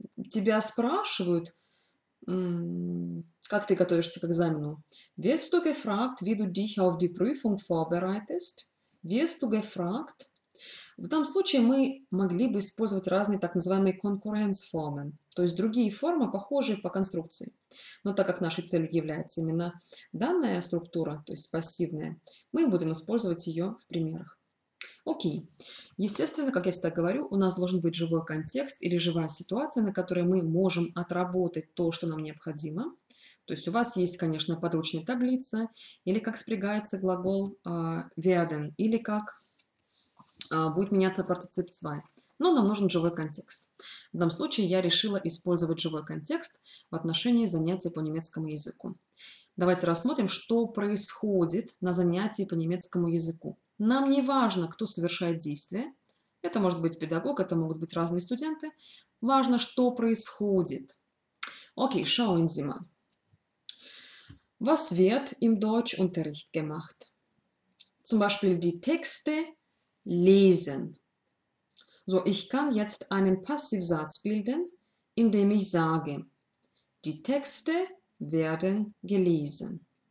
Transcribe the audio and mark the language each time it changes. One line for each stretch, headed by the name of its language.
Russian: Тебя спрашивают, как ты готовишься к экзамену.
German: Wirst du gefragt, wie du dich auf die Prüfung vorbereitest? Wirst du gefragt?
Russian: В данном случае мы могли бы использовать разные так называемые конкуренцформы, то есть другие формы, похожие по конструкции. Но так как нашей целью является именно данная структура, то есть пассивная, мы будем использовать ее в примерах. Окей. Естественно, как я всегда говорю, у нас должен быть живой контекст или живая ситуация, на которой мы можем отработать то, что нам необходимо. То есть у вас есть, конечно, подручная таблица, или как спрягается глагол werden, или как будет меняться партицип 2. Но нам нужен живой контекст. В данном случае я решила использовать живой контекст в отношении занятий по немецкому языку. Давайте рассмотрим, что происходит на занятии по немецкому языку. Нам не важно, кто совершает действие. Это может быть педагог, это могут быть разные студенты. Важно, что происходит. Окей,
German: schauen Sie mal. Was wird im Deutschunterricht gemacht? Zum Beispiel die Texte lesen. So, ich kann jetzt einen Passivsatz bilden, indem ich sage, die Texte werden gelesen.